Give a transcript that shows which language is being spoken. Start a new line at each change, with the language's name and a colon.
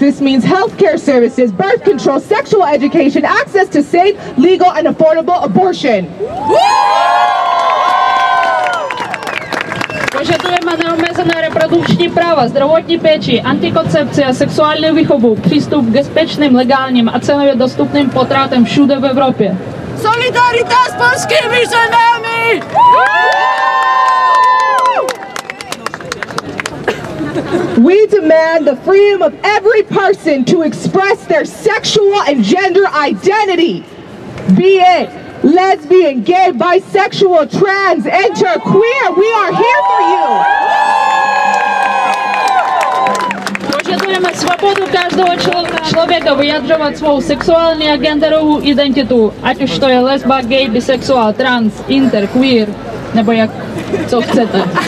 English: This means healthcare services, birth control, sexual education, access to safe, legal and affordable abortion.
Czech: Požadujeme neomezené reprodukční práva, zdravotní péči, antikoncepci a sexuální výchovu, přístup k bezpečným, legálním a cenově dostupným potratem všude v Evropě. Solidarita s polskými ženami!
English: We demand the freedom of every person to express their sexual and gender identity, be it lesbian, gay, bisexual, trans, inter, queer. We are here for you.
Czech: Požadujeme svobodu každého člověka vyjadřovat svou sexuální a genderovou identitu, ať už to je lesba, gay, bisexual, trans, inter, queer, nebo jak co chcete.